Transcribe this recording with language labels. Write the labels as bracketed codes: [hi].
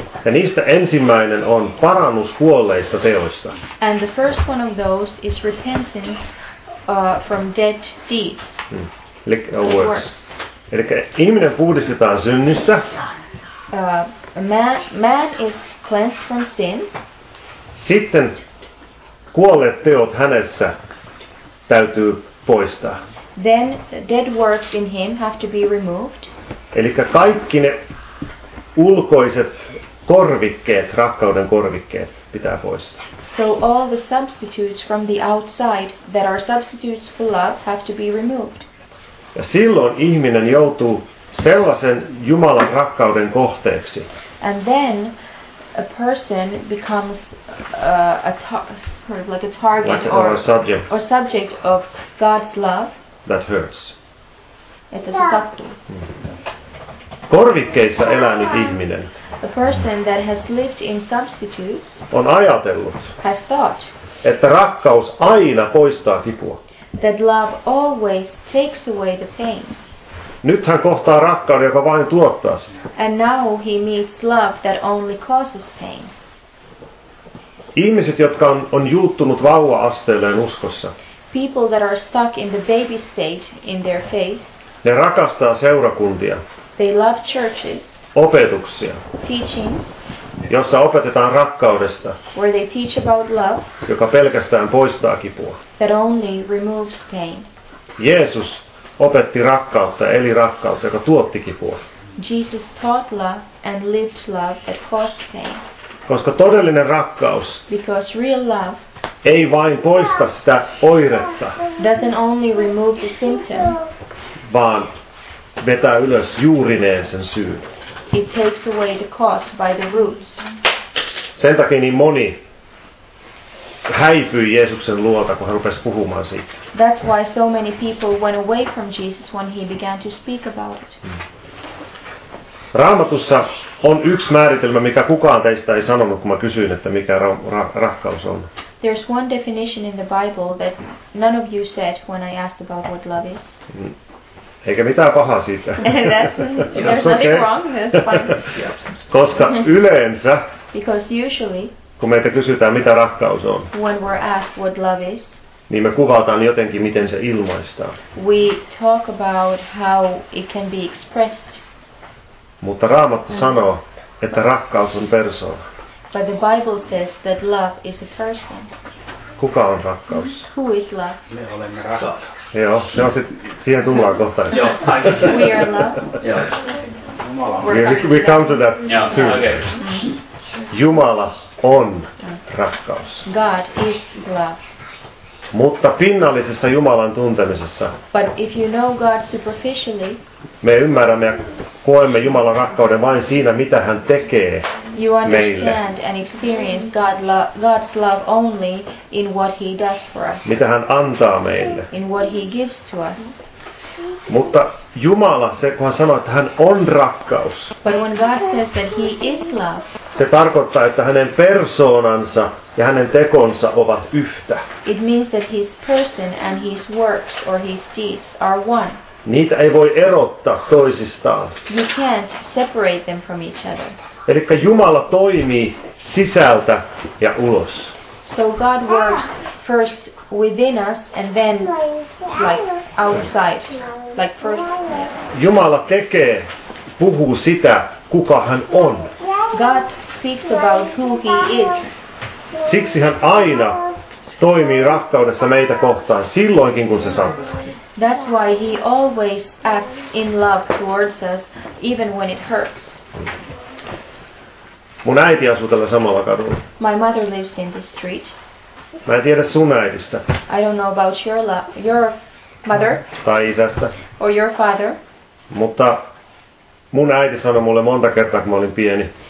[fi] Ja niistä ensimmäinen on parannus kuolleista teoista. [en] And the first one of those is repentance from dead deeds. Works. [fi] Eli ihminen puhdistetaan synnistä. [en] Man is cleansed from sin. [fi] Sitten kuolleet teot hänessä täytyy poistaa. [en] Then dead works in him have to be removed. [fi] Eli kaikki ne ulkoiset korvikkeet, rakkauden korvikkeet pitää poistaa. [en] So all the substitutes from the outside that are substitutes for love have to be removed. [fi] Ja silloin ihminen joutuu sellaisen Jumalan rakkauden kohteeksi. [en] And then a person becomes a target or a subject of God's love. That hurts. [fi] Että se sattuu. Korvikkeissa elänyt ihminen. [en] A person that has lived in substitutes. [fi] On ajatellut. [en] Has thought. [fi] Että rakkaus aina poistaa kipua. [en] That love always takes away the pain. [fi] Nyt hän kohtaa rakkauden, joka vain tuottaa sitä. [en] And now he meets love that only causes pain. [fi] Ihmiset, jotka on juuttunut vauva-asteelleen uskossa. [en] People that are stuck in the baby state in their faith. [fi] Ne rakastaa seurakuntia. [en] They love churches. [fi] Opetuksia. [en] Teachings. [fi] Jossa opetetaan rakkaudesta, [en] where they teach about love, [fi] joka pelkästään poistaa kipua. [en] That only removes pain. [fi] Jeesus opetti rakkautta, eli rakkautta, joka tuotti kipua. [en] Jesus taught love and lived love that caused pain. [fi] Koska todellinen rakkaus, [en] because real love, [fi] ei vain poista sitä oiretta, [en] doesn't only remove the symptom, [fi] vaan vetää ylös juurineen sen syyn. [en] It takes away the cause by the roots. [fi] Sen takia niin moni häipyi Jeesuksen luota, kun hän rupesi puhumaan siitä. [en] That's why so many people went away from Jesus when he began to speak about it. [fi] Raamatussa on yksi määritelmä, mikä kukaan teistä ei sanonut, kun mä kysyin, että mikä rakkaus on. [en] There's one definition in the Bible that none of you said when I asked about what love is. [fi] Eikä mitään pahaa siitä. [en] There's nothing wrong, that's fine. [fi] Koska yleensä, [en] because usually, [fi] kun meitä kysytään, mitä rakkaus on, [en] when we're asked what love is, [fi] niin me kuvataan jotenkin, miten se ilmaistaan. [en] We talk about how it can be expressed. [fi] Mutta Raamattu sanoo, että rakkaus on persoona. [en] But the Bible says that love is a person. [fi] Kuka on rakkaus? [en] Who is love? [fi] Me olemme rakkaus. Joo, se on sit, siihen tullaan kohta. Joo, [en] we are love. We come to that soon. [fi] Jumala on rakkaus. [en] God is love. [fi] Mutta pinnallisessa Jumalan tuntemisessa. [en] But if you know God superficially. [fi] Me ymmärrämme ja koemme Jumalan rakkauden vain siinä, mitä hän tekee [en] you [fi] meille. [en] You understand and experience God's love only in what he does for us. [fi] Mitä hän antaa meille. [en] In what he gives to us. [fi] Mutta Jumala, se kun hän sanoo, että hän on rakkaus. [en] But when God says that he is love. [fi] Se tarkoittaa, että hänen persoonansa ja hänen tekonsa ovat yhtä. [en] It means that his person and his works or his deeds are one. [fi] Niitä ei voi erottaa toisistaan. [en] You can't separate them from each other. [fi] Elikkä Jumala toimii sisältä ja ulos. [en] So God works first within us and then like outside. Like first. [fi] Jumala tekee, puhuu sitä, kuka hän on. [en] God speaks about who he is. [fi] Siksi hän aina toimii rakkaudessa meitä kohtaan silloinkin, kun se sattuu. [en] That's why he always acts in love towards us, even when it hurts. [fi] Mun äiti asuu tällä samalla kadulla. [en] My mother lives in this street. [fi] Mä en tiedä sun äidistä. [en] I don't know about your mother. [fi] Tai isästä. [en] Or your father. [fi] Mutta mun äiti sanoi mulle monta kertaa, kun mä olin pieni.